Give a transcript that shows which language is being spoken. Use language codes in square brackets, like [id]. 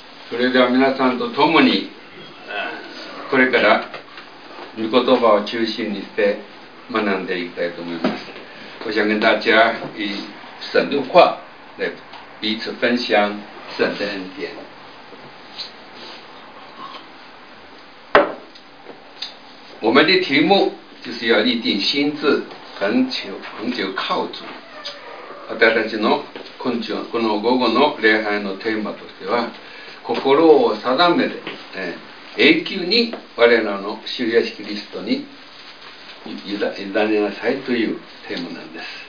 [ja] それでは皆さんと共にこれから御言葉を中心にして学んでいきたいと思います。 [zh] 我想跟大家以神的话来彼此分享神的恩典。我们的题目就是要立定心志，恒久靠主。 [ja] 私たちの今週この午後の礼拝のテーマとしては、心を定めて、永久に我らの主イエスキリストに委ねなさいというテーマなんです。